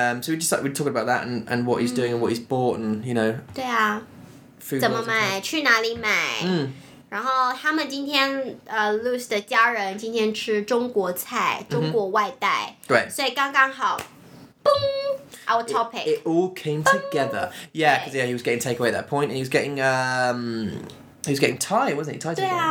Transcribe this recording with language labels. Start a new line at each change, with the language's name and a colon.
English: so we just like we're talking about that and what he's doing and what he's bought and you know
Chinese: 对啊
English: food
Chinese: 怎么买去哪里买然后他们今天Luce 的家人今天吃中国菜中国外带对所以刚刚好嘣
English: Our topic. It all came together. Boom. Yeah, because he was getting takeaway at that point, and he was getting Thai, wasn't he? Thai takeaway.